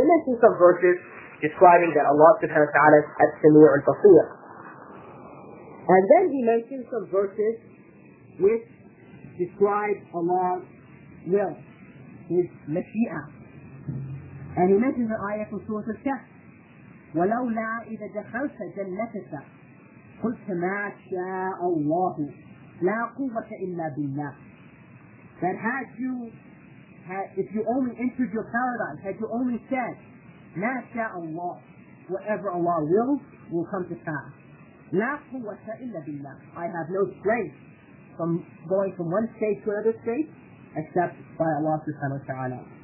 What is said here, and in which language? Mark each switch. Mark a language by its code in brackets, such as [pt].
[en] He mentions some verses describing that Allah subhanahu wa ta'ala is as-Sami' al-Basir. And then he mentions some verses which describe Allah's will, his mashia. And he mentions the ayah from Surah Al-Kahf. [ar] وَلَوْلَا إِذَا دَخَلْتَ جَنَّتَكَ قلت ما شاء الله لا قوة إلا بالله. [en] That had you, if you only entered your paradise, had you only said [ar] ما شاء الله, [en] whatever Allah wills will come to pass, [ar] لا قوة إلا بالله, [en] I have no strength from going from one state to another state except by Allah subhanahu wa ta'ala.